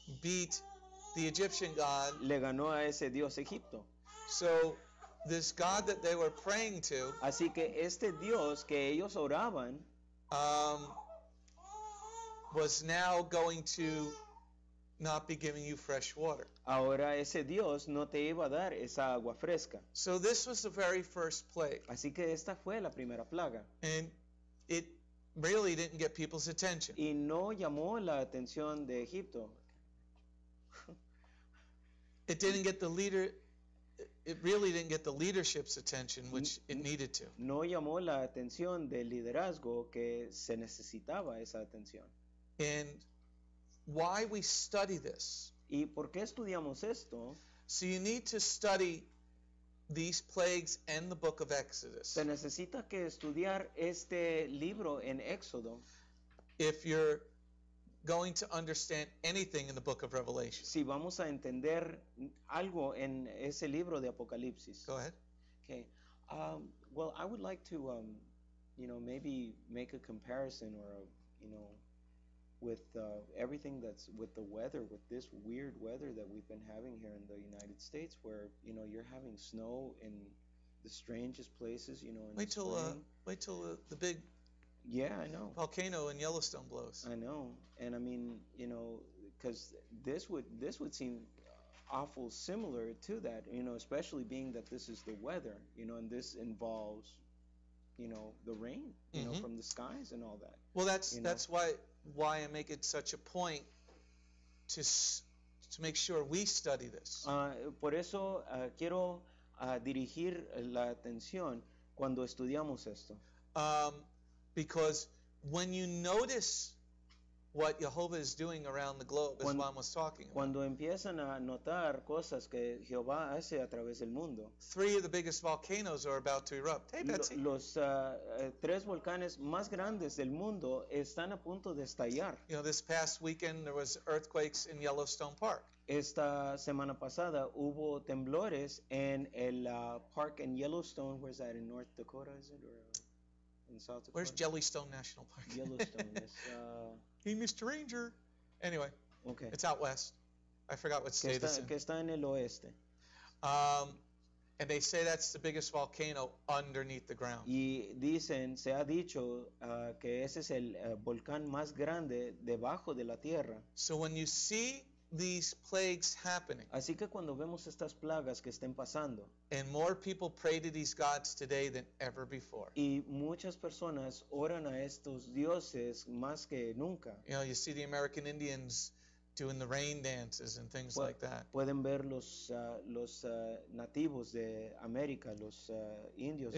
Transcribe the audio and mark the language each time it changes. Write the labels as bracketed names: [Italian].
[English] Beat the Egyptian God. [Spanish] Le ganó a ese Dios Egipto. [English] So this God that they were praying to. [Spanish] Así que este Dios que ellos oraban, [English] was now going to not be giving you fresh water. [Spanish] Ahora ese Dios no te iba a dar esa agua fresca. [English] So this was the very first plague. [Spanish] Así que esta fue la primera plaga. [English] And it really didn't get people's attention. [Spanish] Y no llamó la atención de Egipto. [English] It didn't get the leader. It really didn't get the leadership's attention, which it needed to. [Spanish] No llamó la atención del liderazgo que se necesitaba esa atención. [English] And why we study this? [Spanish] ¿Y por qué estudiamos esto? [English] So you need to study these plagues and the book of Exodus. [Spanish] Se necesita que estudiar este libro en Éxodo. [English] If you're going to understand anything in the book of Revelation. [Spanish] Sí, vamos a entender algo en ese libro de Apocalipsis. [English] Go ahead. Okay. Well, I would like to, maybe make a comparison or, with everything that's with the weather, with this weird weather that we've been having here in the United States, where, you're having snow in the strangest places, in wait till, the spring. Wait till the big... Yeah, I know. Volcano in Yellowstone blows. I know. And I mean, because this would seem awful similar to that, especially being that this is the weather, and this involves, the rain, mm-hmm. from the skies and all that. Well, that's why I make it such a point to make sure we study this. [Spanish] Por eso quiero dirigir la atención cuando estudiamos esto. [English] Because when you notice what Jehovah is doing around the globe, as Juan was talking about, [Spanish] cuando empiezan a notar cosas que Jehová hace a través del mundo, [English] three of the biggest volcanoes are about to erupt. Hey, Betsy. [Spanish] Los tres volcanes más grandes del mundo están a punto de estallar. [English] This past weekend there was earthquakes in Yellowstone Park. [Spanish] Esta semana pasada hubo temblores en el [English] park in [Spanish] Yellowstone. [English] Where is that, in North Dakota, is it, or... In South Dakota. Where's Jellystone National Park? Yellowstone, yes. He missed Ranger. Anyway, okay. It's out west. I forgot what state it's in. [Spanish] Que está en el oeste. [English] And they say that's the biggest volcano underneath the ground. [Spanish] Y dicen, se ha dicho que ese es el volcán más grande debajo de la tierra. [English] So when you see these plagues happening. [Spanish] Así que cuando vemos estas plagas que estén pasando. [English] And more people pray to these gods today than ever before. [Spanish] Y muchas personas oran a estos dioses más que nunca. [English] You see the American Indians doing the rain dances and things like that. [Spanish] Pueden ver los nativos de América, los indios de